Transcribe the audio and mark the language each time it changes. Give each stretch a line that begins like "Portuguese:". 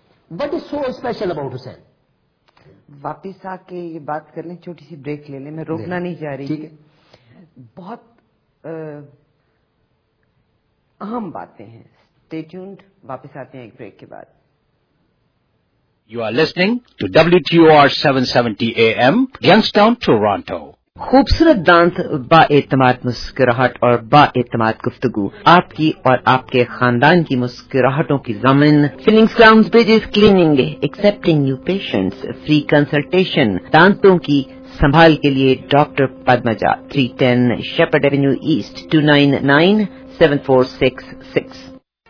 English: What is so special about Hussain?
Urdu: واپس آ کے یہ بات کر لیں، چھوٹی سی بریک لے لیں، میں روکنا نہیں چاہ رہی. ٹھیک ہے، بہت اہم باتیں ہیں.
English: stay tuned,
Urdu: واپس آتے ہیں ایک بریک کے بعد.
English: You are listening to WTOR 770 AM, Youngstown, Toronto.
Urdu: خوبصورت دانت، با اعتماد مسکراہٹ اور با اعتماد گفتگو، آپ کی اور آپ کے خاندان کی مسکراہٹوں کی زمین.
English: fillings, crowns, bridges, cleaning, accepting new patients, free consultation,
Urdu: دانتوں کی سنبھال کے لیے
English: Doctor Padmaja, 310 Shepherd avenue east, 299-7466.